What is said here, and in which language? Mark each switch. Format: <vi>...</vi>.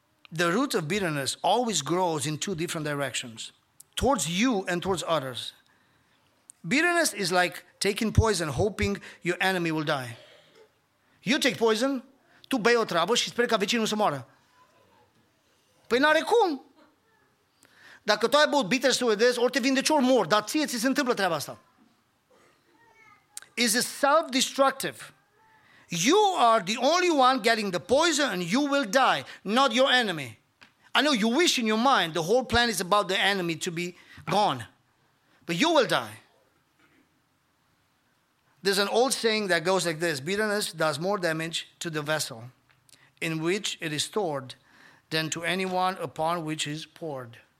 <en>The root of bitterness always grows in two different directions. Towards you and towards others. Bitterness is like taking poison, hoping your enemy will die. You take poison,</en> <ro>tu bei o travă și speri ca vecinul să moară. Păi n-are cum. Dacă tu ai băut bitter să vedezi, ori te vindeci, ori mor, dar ție ți se întâmplă treaba asta.</ro> <en>It is self-destructive. You are the only one getting the poison and you will die, not your enemy. I know you wish in your mind the whole plan is about the enemy to be gone, but you will die. There's an old saying that goes like this: bitterness does more damage to the vessel in which it is stored than to anyone upon which it is poured.</en>